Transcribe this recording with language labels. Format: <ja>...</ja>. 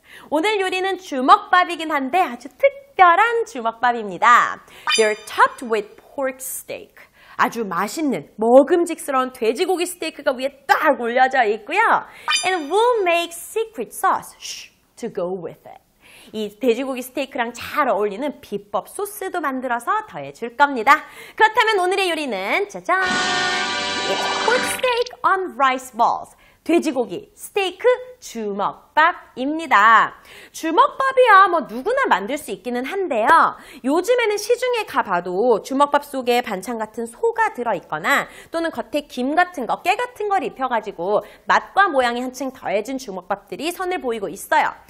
<ko>오늘 요리는 주먹밥이긴 한데 아주 특별한 주먹밥입니다.</ko> <en>They're topped with pork steak.</en> <ko>아주 맛있는 먹음직스러운 돼지고기 스테이크가 위에 딱 올려져 있고요.</ko> <en>And we'll make secret sauce to go with it.</en> <ko>이 돼지고기 스테이크랑 잘 어울리는 비법 소스도 만들어서 더해줄 겁니다. 그렇다면 오늘의 요리는 짜잔!</ko> <en>It's pork steak on rice balls.</en> <ko>돼지고기, 스테이크, 주먹밥입니다. 주먹밥이야 뭐 누구나 만들 수 있기는 한데요. 요즘에는 시중에 가봐도 주먹밥 속에 반찬 같은 소가 들어있거나 또는 겉에 김 같은 거, 깨 같은 걸 입혀가지고 맛과 모양이 한층 더해진 주먹밥들이 선을 보이고 있어요.</ko>